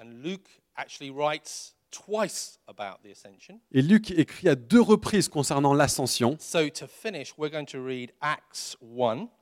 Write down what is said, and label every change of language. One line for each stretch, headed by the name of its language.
English: And Luke actually writes twice about the Ascension.
French: Et Luc écrit à deux reprises concernant l'Ascension.
English: So to finish, we're going to read Acts 1.